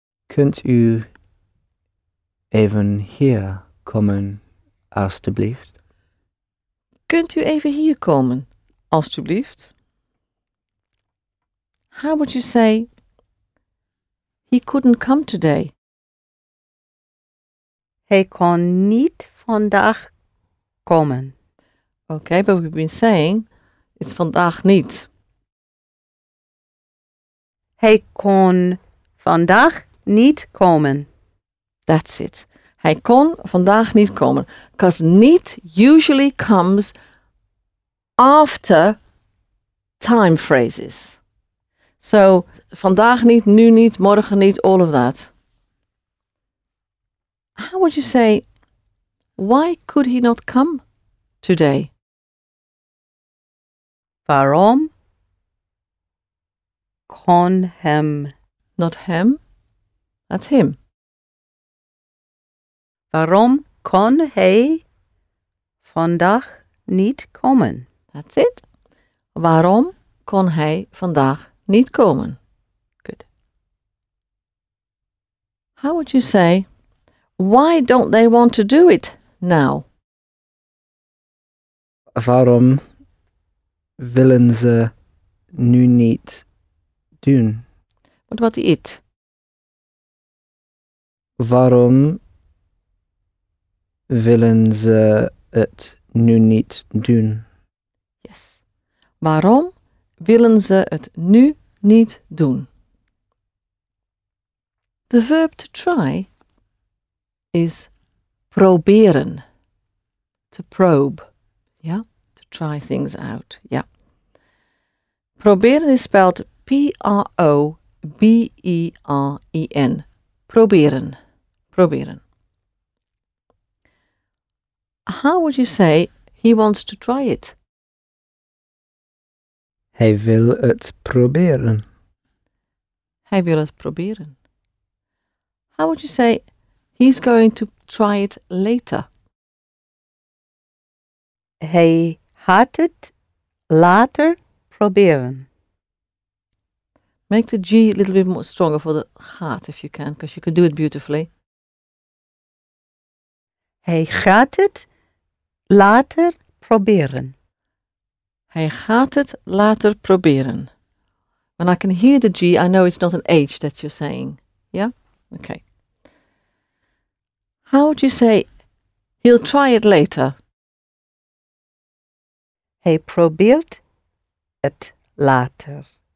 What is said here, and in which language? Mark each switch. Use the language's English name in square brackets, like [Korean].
[Dutch] Kunt u even hier komen, alstublieft? Kunt u even hier komen, alstublieft? [English] How would you say, he couldn't come today? [Dutch] Hij kon niet vandaag komen. [English] Okay, but we've been saying, it's [Dutch] vandaag niet. Hij kon vandaag niet komen. [English] That's it. [Dutch] Hij kon vandaag niet komen. [English] Because niet usually comes after time phrases. So, [Dutch] vandaag niet, nu niet, morgen niet, [English] all of that. How would you say, why could he not come today? [Dutch] Waarom kon hem? [English] Not hem, that's him. [Dutch] Waarom kon hij vandaag niet komen? [English] That's it. [Dutch] Waarom kon hij vandaag niet komen? [English] Good. How would you say, why don't they want to do it now? [Dutch] Waarom willen ze nu niet doen? [English] What about the it? [Dutch] Waarom willen ze het nu niet doen? [English] Yes. [Dutch] Waarom willen ze het nu niet doen? [English] The verb to try is proberen, to probe, yeah, to try things out, yeah. Proberen is spelled P-R-O-B-E-R-E-N, proberen, proberen. How would you say he wants to try it? [Dutch] Hij wil het proberen. Hij wil het proberen. [English] How would you say he's going to try it later? [Dutch] Hij gaat het later proberen. [English] Make the G a little bit more stronger for the gaat if you can, because you can do it beautifully. [Dutch] Hij gaat het later proberen. Hij gaat het later proberen. [English] When I can hear the G, I know it's not an H that you're saying. Yeah? Okay. How would you say, he'll try it later? [Dutch] Hij probeert het later.